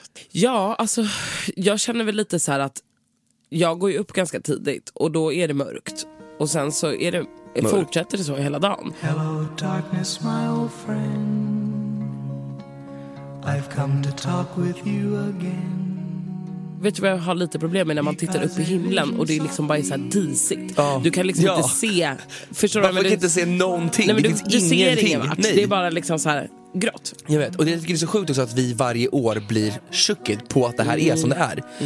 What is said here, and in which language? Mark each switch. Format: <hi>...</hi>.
<sv>Ja, alltså jag känner väl lite så här att jag går ju upp ganska tidigt och då är det mörkt. Och sen så är det mörkt. Fortsätter det så hela dagen.</sv> <en>Hello darkness my old friend, I've come to talk with you again.</en> <sv>Vet du vad jag har lite problem med? När man tittar upp i himlen och det är liksom bara så här disigt. Ja. Du kan liksom inte se. Förstår du? Man kan inte se någonting. Nej, men du ser ingenting. Det är bara liksom så här grått. Jag vet. Och det är så sjukt också att vi varje år blir chockade på att det här är som det är.</sv>